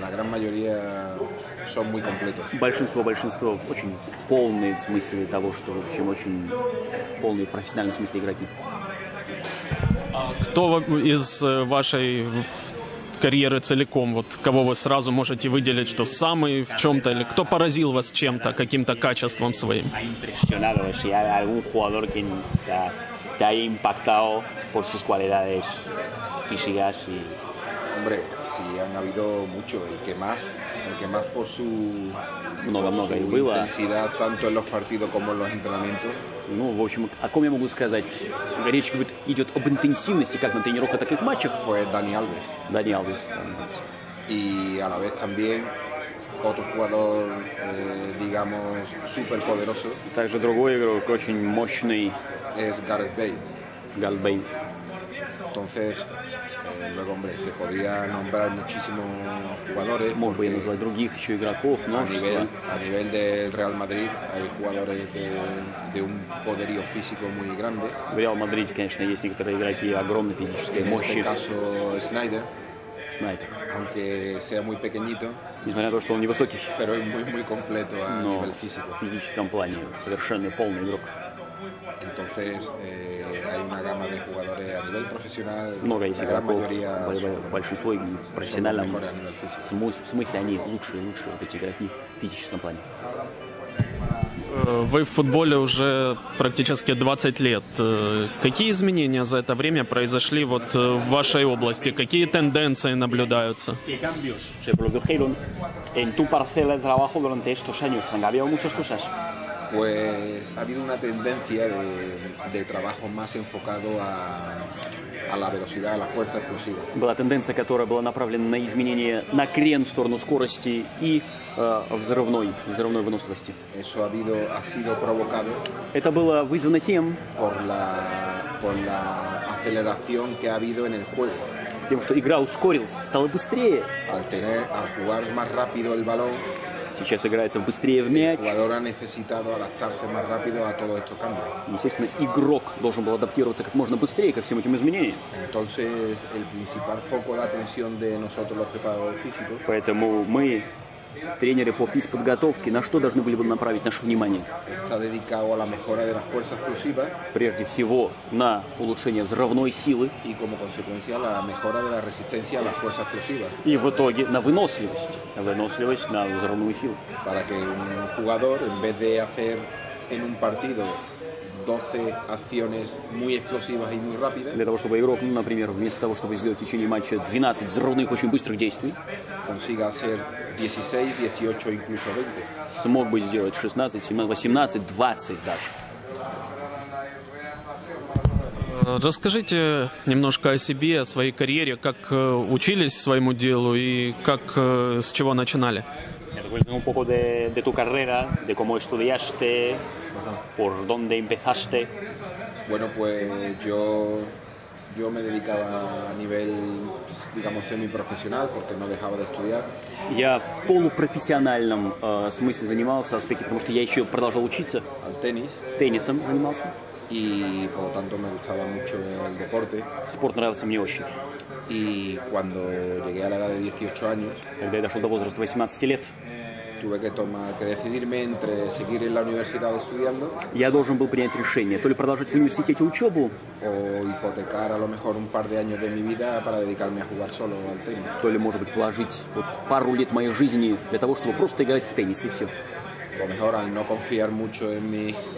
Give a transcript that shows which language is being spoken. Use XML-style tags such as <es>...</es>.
<es>La gran mayoría son muy completos.</es> <ru>Большинство очень полные в смысле того, что, в общем, очень полные в профессиональном смысле игроки. Кто из вашей карьеры целиком, вот кого вы сразу можете выделить, что самый в чем-то, или кто поразил вас чем-то, каким-то качеством своим?</ru> <es>Algún jugador que te haya impactado por sus cualidades físicas y Hombre, sí, han habido mucho. El que más por su,</es> <ru>много</ru> <es>su intensidad,</es> <ru>было.</ru> <es>Tanto en los partidos como en los entrenamientos.</es> <ru>Ну, в общем, о ком я могу сказать? Речь говорит, идет об интенсивности, как на тренировках, так и в матчах.</ru> <es>Fue Dani Alves. Dani Alves. Dani Alves. Y a la vez también otro jugador, digamos, super poderoso.</es> <ru>Также другой игрок, очень мощный.</ru> <es>Es Gareth Bale. Gareth Bale. Entonces, luego, hombre, te podría nombrar muchísimos jugadores.</es> <ru>Мог бы я назвать других еще игроков, множество.</ru> <es>A nivel del Real Madrid hay jugadores de un poderío físico muy grande.</es> <ru>В Реал Мадриде, конечно, есть некоторые игроки огромной физической мощи.</ru> <es>En este caso, Снайдер.</es> <ru>Снайдер.</ru> <es>Aunque sea muy pequeñito.</es> <ru>Несмотря на то, что он невысокий.</ru> <es>Pero es muy, muy completo a nivel físico.</es> <ru>В физическом плане совершенно полный игрок.</ru> <es>Entonces, hay una gama de jugadores a nivel profesional.</es> <ru>Много есть игроков, большинство в профессиональном смысле они лучшие, лучшие вот эти игроки в физическом плане. Вы в футболе уже практически 20 лет. Какие изменения за это время произошли вот в вашей области? Какие тенденции наблюдаются?</ru> <es>Se produjeron en tu parcela de trabajo durante estos años. Han cambiado muchas cosas. Pues ha habido una tendencia de trabajo más enfocado a la velocidad, a la fuerza explosiva.</es> <ru>Была тенденция, которая была направлена на изменение, на крен в сторону скорости и взрывной выносливости.</ru> <es>Eso ha sido provocado.</es> <ru>Это было вызвано тем,</ru> <es>por la aceleración que ha habido en el juego.</es> <ru>Тем, что игра ускорилась, стала быстрее.</ru> <es>Al jugar más rápido el balón.</es> <ru>Сейчас играется быстрее в мяч.</ru> <es>Jugador ha necesitado adaptarse más rápido a todos estos cambios.</es> <ru>Естественно, игрок должен был адаптироваться как можно быстрее ко всем этим изменениям.</ru> <es>Entonces, el principal foco de atención de nosotros los preparadores físicos.</es> <ru>Поэтому мы, тренеры по физподготовке, на что должны были бы направить наше внимание?</ru> <es>Está dedicado a la mejora de la fuerza explosiva.</es> <ru>Прежде всего, на улучшение взрывной силы.</ru> <es>Y como consecuencia, la mejora de la resistencia a la fuerza explosiva.</es> <ru>И в итоге, на выносливость. Выносливость на взрывную силу.</ru> <es>Para que un jugador, en vez de hacer en un partido 12 acciones muy explosivas y muy rápidas.</es> <ru>Для того, чтобы игрок, ну, например, вместо того, чтобы сделать в течение матча 12 взрывных очень быстрых действий,</ru> <es>consiga hacer 16, 18, incluso 20.</es> <ru>Смог бы сделать 16, 17, 18, 20 даже. Расскажите немножко о себе, о своей карьере, как учились своему делу и как с чего начинали.</ru> <es>Recuerden un poco de tu carrera, de cómo estudiaste, por dónde empezaste. Bueno, pues yo me dedicaba a nivel, digamos, semiprofesional, porque no dejaba de estudiar.</es> <ru>Я в полупрофессиональном смысле занимался аспекте, потому что я еще продолжал учиться.</ru> <es>Al tenis.</es> <ru>Теннисом занимался.</ru> <es>Y por lo tanto me gustaba mucho el deporte.</es> <ru>Спорт нравился мне очень.</ru> <es>Y cuando llegué a la edad de 18 años.</es> <ru>Когда я дошел до возраста 18 лет.</ru> <es>Tuve que decidirme entre seguir en la universidad estudiando.</es> <ru>Я должен был принять решение, то ли продолжить в университете учебу.</ru> <es>O hipotecar a lo mejor un par de años de mi vida para dedicarme a jugar solo al tenis.</es> <ru>То ли, может быть, вложить вот пару лет моей жизни для того, чтобы просто играть в теннис и все.</ru> <es>A lo mejor al no confiar mucho en mi</es>